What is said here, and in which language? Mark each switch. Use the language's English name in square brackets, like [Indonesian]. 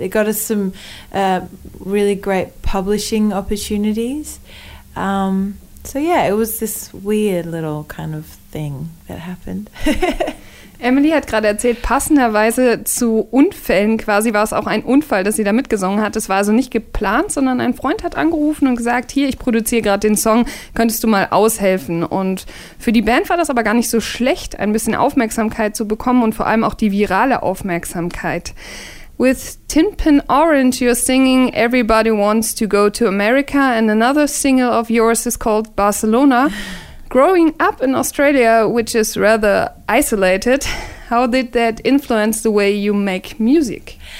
[English] It got us some really great publishing opportunities. It was this weird little kind of thing that happened. [German] Emily hat gerade erzählt, passenderweise zu Unfällen quasi war es auch ein Unfall, dass sie da mitgesungen hat. Es war also nicht geplant, sondern ein Freund hat angerufen und gesagt, hier, ich produziere gerade den Song, könntest du mal aushelfen? Und für die Band war das aber gar nicht so schlecht, ein bisschen Aufmerksamkeit zu bekommen und vor allem auch die virale Aufmerksamkeit. [English] With Tin Pan Orange, you're singing Everybody Wants to Go to America and another single of yours is called Barcelona. Growing up in Australia, which is rather isolated, how did that influence the way you make music?